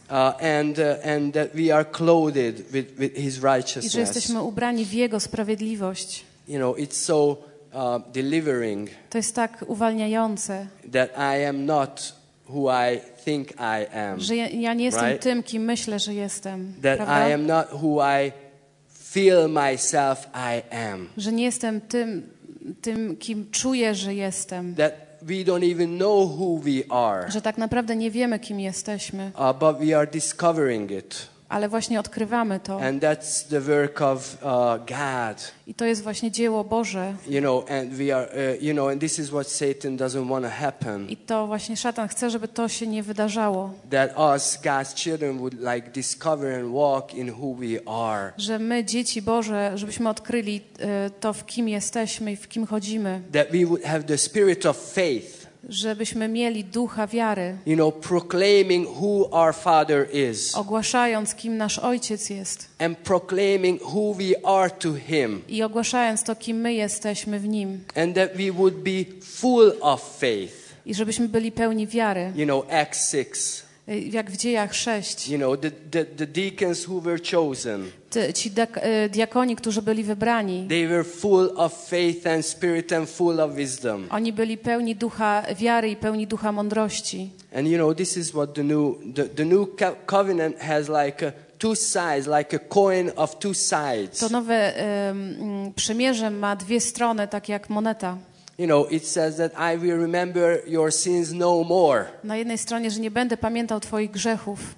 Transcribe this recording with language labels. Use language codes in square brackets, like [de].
[en] And that we are clothed with his righteousness. [pl] I że jesteśmy ubrani w jego sprawiedliwość. [en] You know, it's so delivering. [pl] To jest tak uwalniające. [en] That I am not who I think I am, [pl] że ja nie jestem tym, kim myślę, że jestem. [en] That I am not who I feel myself I am. [pl] Że nie jestem tym, kim czuję, że jestem. [en] That we don't even know who we are. [pl] Że tak naprawdę nie wiemy, kim jesteśmy. [en] But we are discovering it. [pl] Ale właśnie odkrywamy to. [en] And that's the work of God. [pl] I to jest właśnie dzieło Boże. [en] You know, and we are, you know, and this is what Satan doesn't want to happen. [pl] I to właśnie szatan chce, żeby to się nie wydarzało. [en] That us, God's children, would like discover and walk in who we are. [pl] Że my, dzieci Boże, żebyśmy odkryli to, w kim jesteśmy i w kim chodzimy. [en] That we would have the spirit of faith. [pl] Żebyśmy mieli ducha wiary. [en] You know, proclaiming who our Father is. [pl] Ogłaszając, kim nasz Ojciec jest. [en] And proclaiming who we are to him. [pl] I ogłaszając to, kim my jesteśmy w nim. [en] And that we would be full of faith. [pl] I żebyśmy byli pełni wiary. [en] You know, Acts 6. [pl] Jak w Dziejach 6. [en] You know, the deacons who were chosen. [pl] Ci diakoni, którzy byli wybrani. [en] They were full of faith and spirit and full of wisdom. [pl] Oni byli pełni ducha wiary i pełni ducha mądrości. [en] And you know, this is what the new covenant has like two sides, like a coin of two sides. [pl] To nowe przymierze ma dwie strony, tak jak moneta. [en] You know, it says that I will remember your sins no more. [pl] Na jednej stronie, że nie będę pamiętał twoich grzechów.